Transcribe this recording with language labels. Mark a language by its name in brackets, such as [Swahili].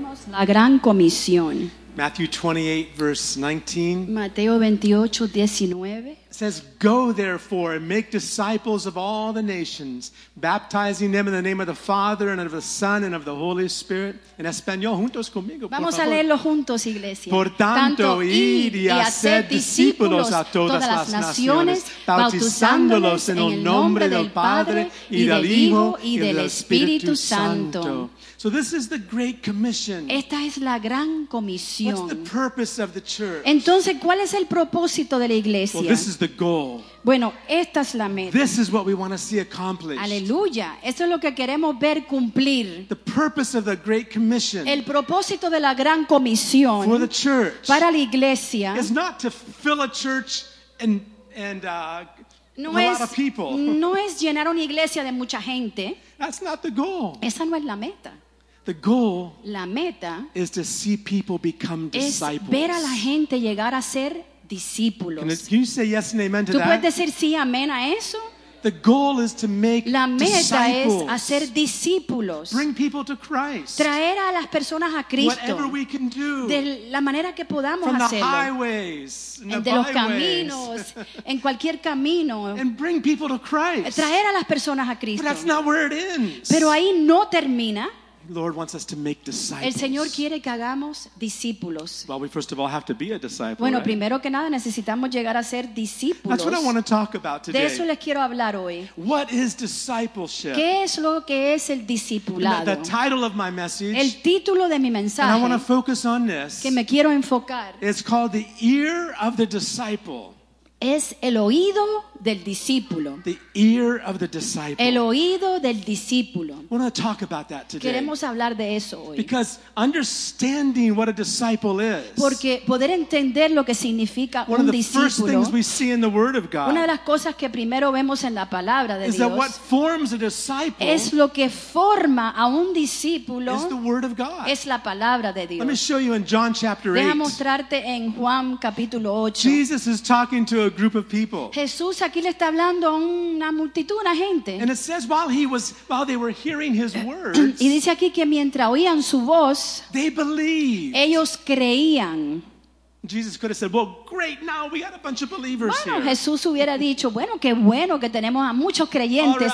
[Spanish] La gran comisión. [English] Matthew 28, verse 19. [Spanish] Mateo 28, 19. [English] Says, go therefore and make disciples of all the nations, baptizing them in the name of the Father and of the Son and of the Holy Spirit. [Spanish] En español, juntos conmigo, vamos por favor. A leerlo juntos, iglesia. Por tanto, ir y hacer discípulos a todas las naciones, bautizándolos en el nombre del Padre y del Hijo y del Espíritu Santo. [English] So this is the Great Commission. [Spanish] Esta es la gran comisión. [English] What's the purpose of the church? [Spanish] Entonces, ¿cuál es el propósito de la iglesia? [English] Well, this is the goal. [Spanish] Bueno, esta es la meta. [English] This is what we want to see accomplished. [Spanish] Aleluya. Eso es lo que queremos ver cumplir. [English] The purpose of the Great Commission. [Spanish] El propósito de la gran comisión. [English] For the church. [Spanish] Para la iglesia. [English] Is not to fill a church and a lot of people. [Spanish] No es llenar una iglesia de mucha gente. [English] That's not the goal. [Spanish] Esa no es la meta. [English] The goal, [Spanish] la meta, [English] is to see people become disciples. [Spanish] Es ver a la gente llegar a ser discípulos. [English] Can you say yes and amen to [Spanish] ¿Tú [English] that? [Spanish] ¿Tú puedes decir sí, amén a eso? [English] The goal is to make [Spanish] la meta [English] disciples. [Spanish] Es hacer discípulos. [English] Bring people to Christ. [Spanish] Traer a las personas a Cristo. [English] Whatever we can do. [Spanish] De la manera que podamos [English] From [Spanish] hacerlo. [English] From the highways, [Spanish] de los caminos, en cualquier camino. [English] And bring people to Christ. [Spanish] Traer a las personas a Cristo. [English] But that's not where it ends. [Spanish] Pero ahí no termina. [English] Lord wants us to make disciples. [Spanish] El Señor quiere que hagamos discípulos. [English] Well, we first of all have to be a disciple. [Spanish] Bueno, [English] right? [Spanish] Primero que nada necesitamos llegar a ser discípulos. [English] That's what I want to talk about today. [Spanish] De eso les quiero hablar hoy. [English] What is discipleship? [Spanish] ¿Qué es lo que es el discipulado? [English] The title of my message. [Spanish] El título de mi mensaje. [English] And I want to focus on this. [Spanish] Que me quiero enfocar. [English] It's called the ear of the disciple. [Spanish] Es el oído del discípulo. [English] The ear of the disciple. [Spanish] El oído del discípulo. [English] We want to talk about that today. [Spanish] Queremos hablar de eso hoy. [English] Because understanding what a disciple is. [Spanish] Porque poder entender lo que significa un discípulo. [English] One of the first things we see in the Word of God. [Spanish] Una de las cosas que primero vemos en la palabra de Dios. [English] Is that what forms a disciple? [Spanish] Es lo que forma a un discípulo. [English] Is the Word of God. [Spanish] Es la palabra de Dios. [English] Let me show you in John chapter 8. [Spanish] Deja mostrarte en Juan capítulo 8. [English] Jesus is talking to a group of people. [Spanish] Jesús aquí le está hablando a una multitud, una gente. [English] And it says while they were hearing his words. [Spanish] Y dice aquí que mientras oían su voz, [English] they believed. [Spanish] Ellos creían. [English] Jesus could have said, "Well, great, now we got a bunch of believers [Spanish] bueno, [English] here." [Spanish] Jesús hubiera dicho, "Bueno, qué bueno que tenemos a muchos creyentes